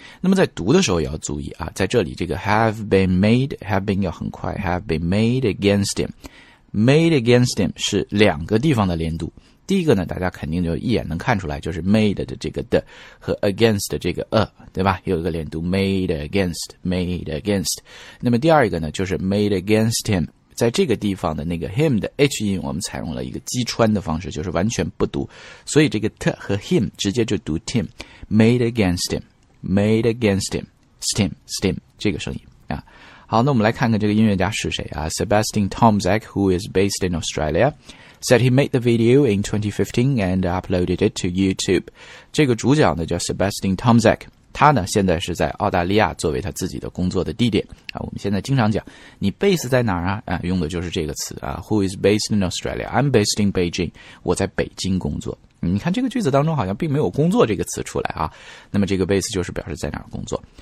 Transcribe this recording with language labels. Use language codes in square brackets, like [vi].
[zh] 那么在读的时候也要注意在这里这个 have been 要很快， [en] have been made against him， [zh] made against him 是两个地方的连读。第一个呢大家肯定就一眼能看出来，就是 made 的这个的和 against 的这个对吧，有一个连读 [en] made against made against。 [zh] 那么第二个呢就是 [en] made against him， 在这个地方的那个 him 的 h 音我们采用了一个击穿的方式，就是完全不读，所以这个 t 和 him 直接就读 tim， made against him made against him stim stim [zh] 这个声音好，那我们来看看这个音乐家是谁 [en] Sebastian Tomczak who is based in AustraliaSaid he made the video in 2015 and uploaded it to YouTube. [zh] 这个主角呢叫 Sebastian Tomczak， 他呢现在是在澳大利亚作为他自己的工作的地点我们现在经常讲你 base 在哪儿用的就是这个词 [en] Who is based in Australia? I'm based in Beijing. [zh] 我在北京工作。你看这个句子当中好像并没有工作这个词出来那么这个 base 就是表示在哪儿工作。